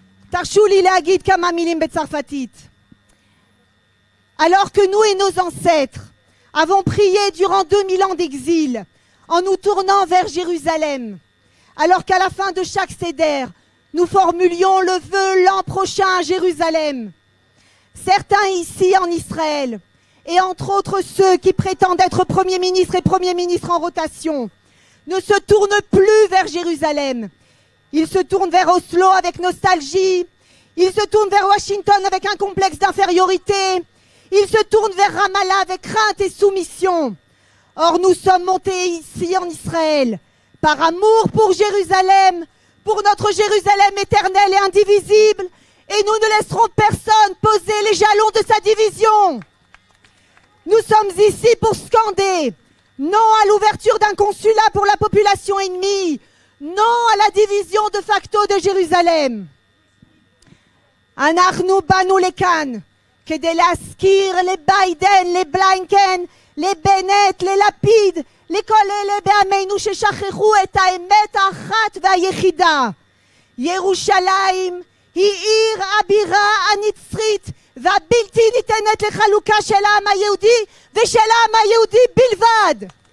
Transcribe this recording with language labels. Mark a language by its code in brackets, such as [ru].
[he] תרשו לי להגיד כמה מילים בצרפתית. [fr] Alors que nous et nos ancêtres avons prié durant 2000 ans d'exil en nous tournant vers Jérusalem, alors qu'à la fin de chaque seder, nous formulions le vœu l'an prochain à Jérusalem. Certains ici en Israël, et entre autres ceux qui prétendent être Premier ministre et Premier ministre en rotation, ne se tournent plus vers Jérusalem. Ils se tournent vers Oslo avec nostalgie, ils se tournent vers Washington avec un complexe d'infériorité, ils se tournent vers Ramallah avec crainte et soumission. Or, nous sommes montés ici en Israël par amour pour Jérusalem, pour notre Jérusalem éternelle et indivisible, et nous ne laisserons personne poser les jalons de sa division. Nous sommes ici pour scander non à l'ouverture d'un consulat pour la population ennemie, non à la division de facto de Jérusalem. [he] Anachnu banu lekan כדי להזכיר לביידן, לבלינקן, לבנט, ללפיד, לכל אלה בעמנו ששכחו את האמת האחת והיחידה. ירושלים היא עיר הבירה הנצרית והבלתי ניתנת לחלוקה של העם היהודי ושל העם היהודי בלבד.